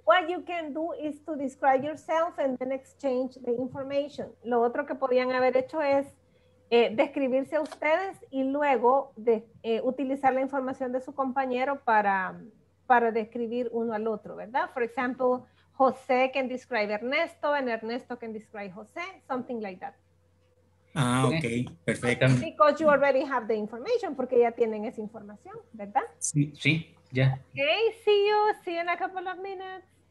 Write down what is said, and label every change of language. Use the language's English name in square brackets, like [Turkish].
[English] What you can do is to describe yourself and then exchange the information. [Spanish] Lo otro que podían haber hecho es describirse a ustedes y luego utilizar la información de su compañero para describir uno al otro, ¿verdad? [English] For example, José can describe Ernesto and Ernesto can describe José, something like that. [Spanish] Ah, ok, perfecto. [English] Because you already have the information, [Spanish] porque ya tienen esa información, ¿verdad? Sí, ya. [English] Yeah. Ok, see you in a couple of minutes.